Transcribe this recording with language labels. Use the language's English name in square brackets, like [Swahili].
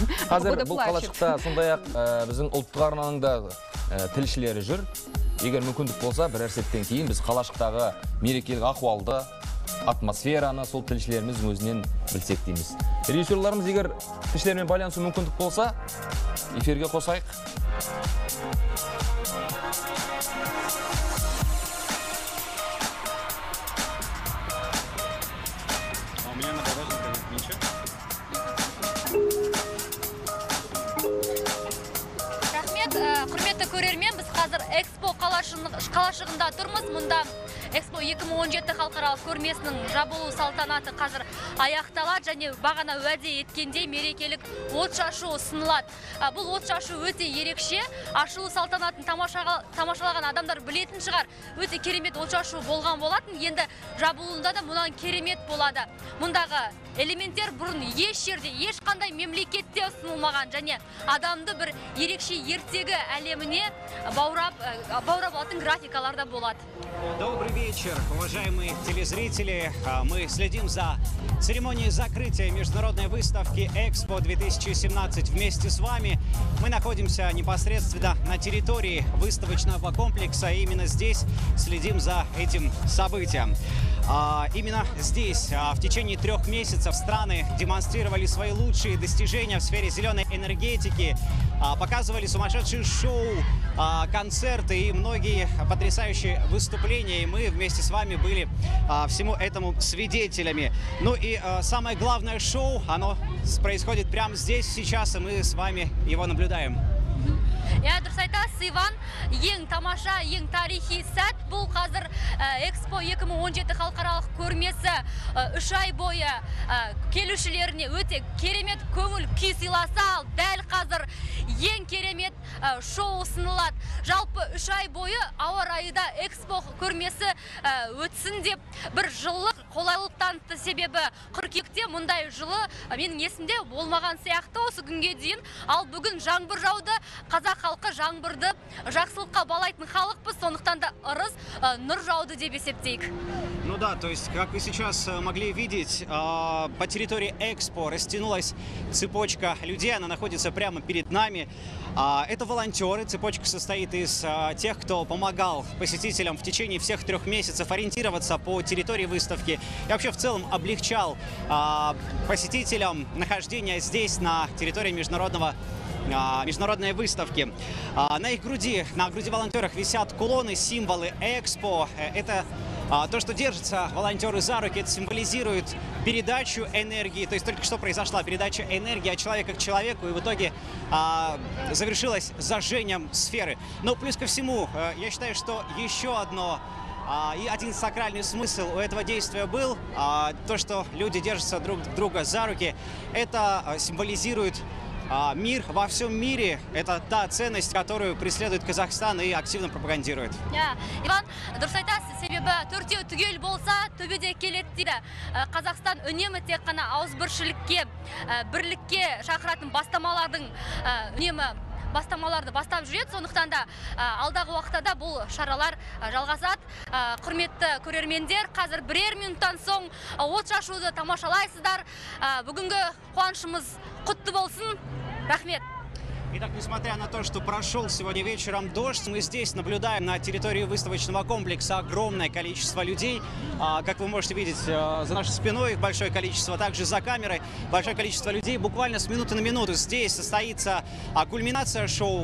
[Kazakh] Қазір бұл қалашықта сондай-ақ біздің ұлттық арнаның да тілшілері жүр. Егер мүмкіндік болса, бір әрсеттен кейін біз қалашықтағы мерекелік ахуалды атмосфераны сол тілшілеріміз өзінен білсек дейміз. Режиссерларымыз егер тілшілермен байланысу мүмкіндік болса, эфирге қосайық. [Russian] А у меня на багажнике ничего. [Kazakh] Рахмет, құрметті көрермен, біз қазір Экспо қалашығында тұрмыз. Мұнда Экспо 2017 халықаралық көрмесінің жабылу салтанаты қазір аяқталады, және бағана уәде еткендей мерекелік отшашу ұсынылады. Бұл отшашу өте ерекше, ашылу салтанатын тамашалаған адамдар білетін шығар, өте керемет отшашу болған болатын, енді жабылуында да мұнан керемет болады. Мұндағы элементтер бұрын еш жерде, еш қандай мемлекетте ұсынылмаған, және адамды бір ерекше ертегі әлеміне баурап алатын графикаларда болады. [Russian] Добрый вечер, уважаемые телезрители. Мы следим за церемонией закрытия международной выставки Экспо 2017 вместе с вами. Мы находимся непосредственно на территории выставочного комплекса. И именно здесь следим за этим событием. Именно здесь в течение 3 месяцев страны демонстрировали свои лучшие достижения в сфере зеленой энергетики, показывали сумасшедшие шоу, концерты и многие потрясающие выступления. И мы вместе с вами были всему этому свидетелями. Ну и самое главное шоу, оно происходит прямо здесь, сейчас, и мы с вами его наблюдаем. [Kazakh] Я дұрыс айтасыз, Иван, ең тамаша, ең тарихи сәт бұл қазір Экспо 2017 халықаралық көрмесі 3 ай бойы келушілеріне өте керемет көңіл күй сыйласа, ал дәл қазір ең керемет шоу ұсынылады. Жалпы 3 ай бойы ауа райында Экспо көрмесі өтсін деп бір жылық қолайлылық танытты. Себебі қыркүйекте мұндай жылы менің есімде болмаған сияқты осы күнге дейін, ал бүгін жаңбыр жауды. Қазақ халқы жаңбырды жақсылыққа балайтын халықпыз, сондықтан да ырыс нұр жауды деп есептейік. [Russian] Ну да, то есть, как вы сейчас могли видеть, по территории Экспо растянулась цепочка людей, она находится прямо перед нами. Это волонтеры, цепочка состоит из тех, кто помогал посетителям в течение всех 3 месяцев ориентироваться по территории выставки и вообще в целом облегчал посетителям нахождение здесь, на территории международной выставки. На их груди, на груди волонтеров висят кулоны, символы Экспо. Это то, что держится волонтеры за руки, это символизирует передачу энергии. То есть только что произошла передача энергии от человека к человеку, и в итоге завершилась зажжением сферы. Но плюс ко всему, я считаю, что еще одно и один сакральный смысл у этого действия был, то, что люди держатся друг друга за руки, это символизирует мир во всем мире – это та ценность, которую преследует Казахстан и активно пропагандирует. [Kazakh] Иван, дұрыс айтасыз, себебі төртеу түгел болса, төбеде келет дейді. Қазақстан үнемі тек қана ауызбіршілікке, бірлікке шақыратын бастамаларды бастап жүреді. Сондықтан да алдағы уақытта да бұл шаралар жалғасады. Құрметті көрермендер, қазір бірер минуттан соң отшашуды тамашалайсыздар. Бүгінгі қуанышымыз құтты болсын. Рахмет. [Russian] Итак, несмотря на то, что прошел сегодня вечером дождь, мы здесь наблюдаем на территории выставочного комплекса огромное количество людей. Как вы можете видеть, за нашей спиной их большое количество, также за камерой большое количество людей. Буквально с минуты на минуту здесь состоится кульминация шоу.